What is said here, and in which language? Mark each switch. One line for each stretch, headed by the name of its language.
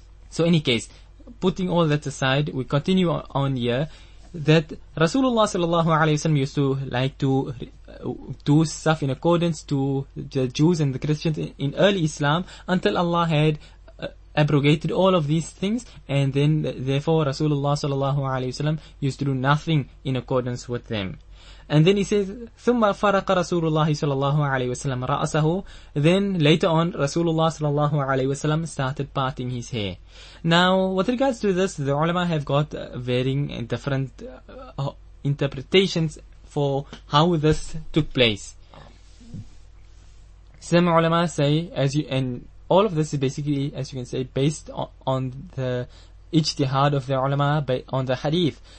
English: So any case, putting all that aside, we continue on here, that Rasulullah sallallahu alayhi wa sallam used to like to do stuff in accordance to the Jews and the Christians in early Islam until Allah had abrogated all of these things, and then therefore Rasulullah sallallahu alayhi wa sallam used to do nothing in accordance with them. And then he says,
Arabic: ثُمَّ فَرَقَ رَسُولُ اللَّهِ صَلَى اللَّهُ عَلَيْهِ وَسَلَّمَ رَأَسَهُ.
English: Then later on, Rasulullah صلى الله عليه وسلم started parting his hair. Now, with regards to this, the ulama have got varying and different interpretations for how this took place. Some ulama say, and all of this is basically, as you can say, based on the ijtihad of the ulama on the hadith.